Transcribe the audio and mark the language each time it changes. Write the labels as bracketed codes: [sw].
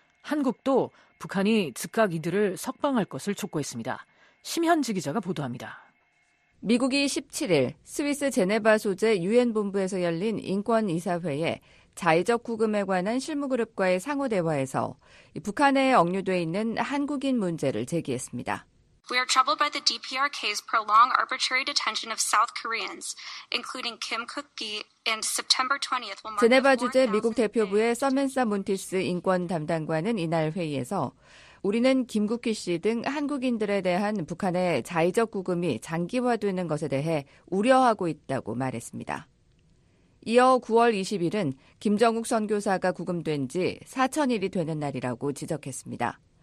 [ko] 한국도 북한이 즉각 이들을 석방할 것을 촉구했습니다. 심현지 기자가 보도합니다. 미국이 17일 스위스 제네바 소재 유엔 본부에서 열린 인권이사회에 자의적 구금에 관한 실무그룹과의 상호 대화에서 북한에 억류돼 있는 한국인 문제를 제기했습니다. [en] We are troubled by the DPRK's prolonged arbitrary detention of South Koreans, including Kim Cook-gi and September 20th. [ko] 제네바 주재 미국 대표부의 서멘사 몬티스 인권 담당관은 이날 회의에서 우리는 김국희 씨 등 한국인들에 대한 북한의 자의적 구금이 장기화되는 것에 대해 우려하고 있다고 말했습니다. 이어 9월 20일은 김정국 선교사가 구금된 지 4000일이 되는 날이라고 지적했습니다.